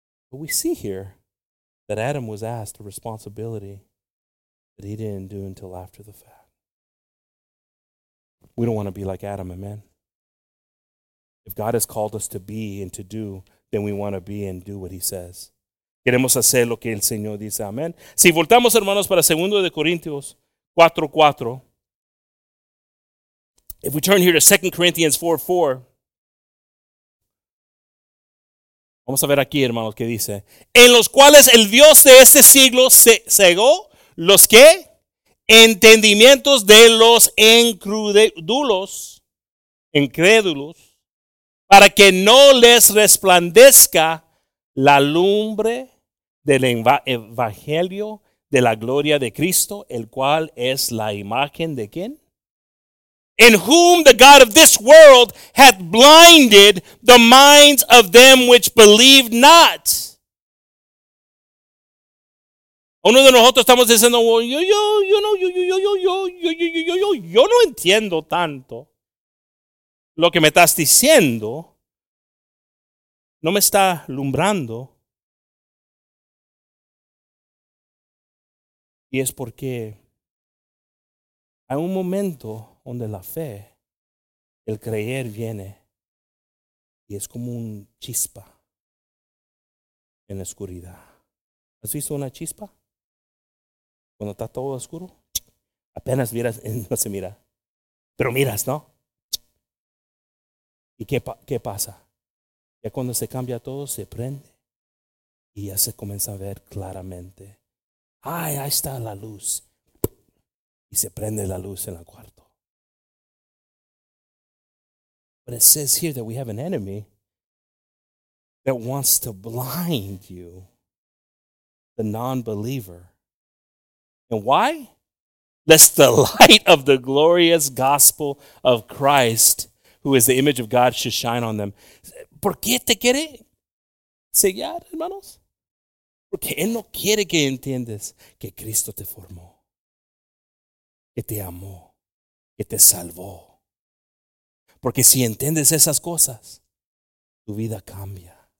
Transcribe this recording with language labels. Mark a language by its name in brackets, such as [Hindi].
[English] But we see here that Adam was asked a responsibility that he didn't do until after the fact. We don't want to be like Adam, amen? If God has called us to be and to do, then we want to be and do what he says. [Spanish] Queremos hacer lo que el Señor dice, amen? Si voltamos, hermanos, para 2 Corintios 4:4. [English] If we turn here to 2 Corinthians 4:4. [Spanish] Vamos a ver aquí, hermanos, que dice. En los cuales el Dios de este siglo cegó los que entendimientos de los incrédulos, para que no les resplandezca la lumbre del evangelio de la gloria de Cristo, el cual es la imagen de ¿quién? [English] In whom the God of this world hath blinded the minds of them which believe not. [Spanish] Uno de nosotros estamos diciendo, yo no entiendo tanto lo que me estás diciendo. No me está alumbrando. Y es porque hay un momento donde la fe, el creer viene y es como un chispa en la oscuridad. ¿Has visto una chispa? Cuando está todo oscuro, apenas miras, no se mira, pero miras, ¿no? ¿Y qué pasa? Ya cuando se cambia todo, se prende y ya se comienza a ver claramente. ¡Ay, ahí está la luz! Y se prende la luz en el cuarto. [English] But it says here that we have an enemy that wants to blind you, the non-believer. And why? Lest the light of the glorious gospel of Christ, who is the image of God, should shine on them. [Spanish] ¿Por qué te quiere sellar, hermanos? Porque Él no quiere que entiendas que Cristo te formó, que te amó, que te salvó. Porque si entiendes esas cosas, tu vida cambia.